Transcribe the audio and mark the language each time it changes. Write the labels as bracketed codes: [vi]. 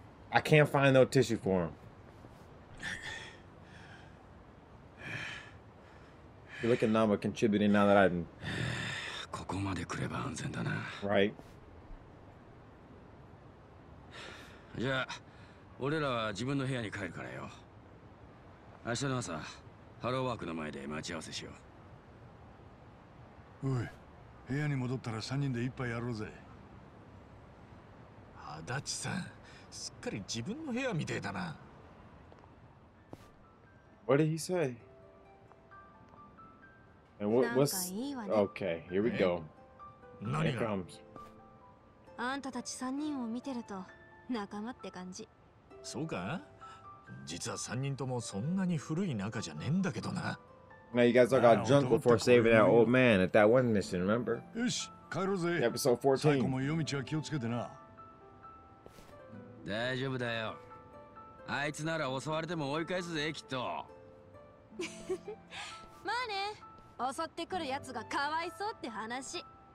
[en] I can't find no tissue for him. You look at Namba contributing now that I didn't. [ja] ここまで来れば安全だな。 [en] Right. [ja] じゃあ、俺らは自分の部屋に帰るからよ。明日の朝、ハローワークの前で待ち合わせしよう。おい、部屋に戻ったら3人で一杯やろうぜ。足立さん、すっかり自分の部屋みてえだな。 [en] What did he say? And what's... Okay, here we go. [ja] 何が？あんたたち3人を見てると仲間って感じ。そうか？実は3人ともそんなに古い仲じゃねえんだけどな。 [en] Now you guys all got drunk before saving that old man at that one mission, remember? [ja] よし、帰ろうぜ。 [en] Episode 14。 [ja] 最後も夜道は気をつけてな。大丈夫だよ。あいつなら襲われても追い返すぜ、きっと。まあね、襲ってくるやつがかわいそうって話。